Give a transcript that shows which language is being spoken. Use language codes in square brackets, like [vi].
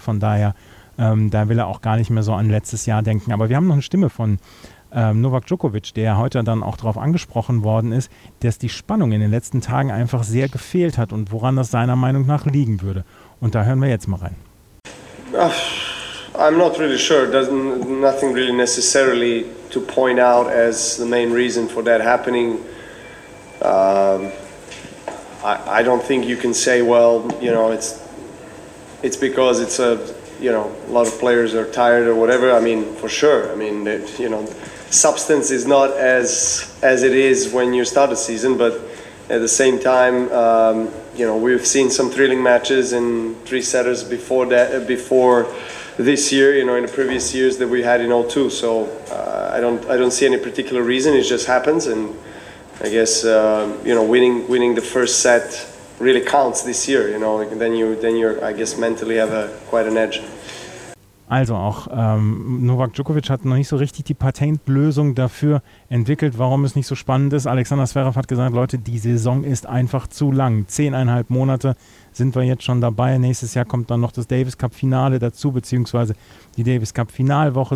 [de] Von daher, da will er auch gar nicht mehr so an letztes Jahr denken. Aber wir haben noch eine Stimme von Novak Djokovic, der heute dann auch darauf angesprochen worden ist, dass die Spannung in den letzten Tagen einfach sehr gefehlt hat und woran das seiner Meinung nach liegen würde. Und da hören wir jetzt mal rein. [en] I'm not really sure. Doesn't nothing really necessarily to point out as the main reason for that happening. I don't think you can say, well, you know, it's it's because it's a, you know, a lot of players are tired or whatever. I mean, for sure. I mean, they, you know, substance is not as it is when you start a season, but at the same time, you know, we've seen some thrilling matches in three setters before that, before this year, you know, in the previous years that we had in 0-2. So I don't see any particular reason. It just happens. And I guess, you know, winning the first set really counts this year, you know, like, then you're, I guess, mentally have quite an edge. [de] Also auch Novak Djokovic hat noch nicht so richtig die Patentlösung dafür entwickelt, warum es nicht so spannend ist. Alexander Zverev hat gesagt, Leute, die Saison ist einfach zu lang. 10,5 Monate sind wir jetzt schon dabei. Nächstes Jahr kommt dann noch das Davis Cup Finale dazu, beziehungsweise die Davis Cup Finalwoche.